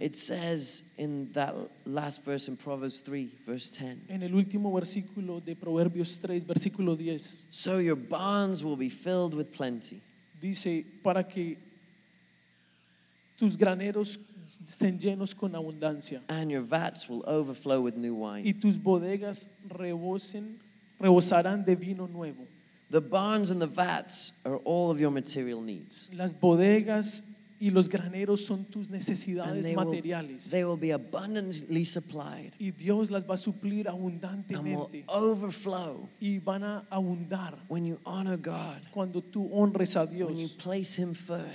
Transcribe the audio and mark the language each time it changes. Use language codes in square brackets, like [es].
[en] It says in that last verse in Proverbs 3, verse 10. [es] En el último versículo de Proverbios 3, versículo 10. [en] So your barns will be filled with plenty. [es] Dice, para que tus graneros estén llenos con abundancia. [en] And your vats will overflow with new wine. [es] Y tus bodegas rebosarán de vino nuevo. [en] The barns and the vats are all of your material needs. [es] Las bodegas y los graneros son tus necesidades materiales. [en] They will be abundantly supplied. [es] Y Dios las va a suplir abundantemente. [en] And will overflow. [es] Y van a abundar. [en] When you honor God. [es] Cuando tú honres a Dios. [en] When you place Him first.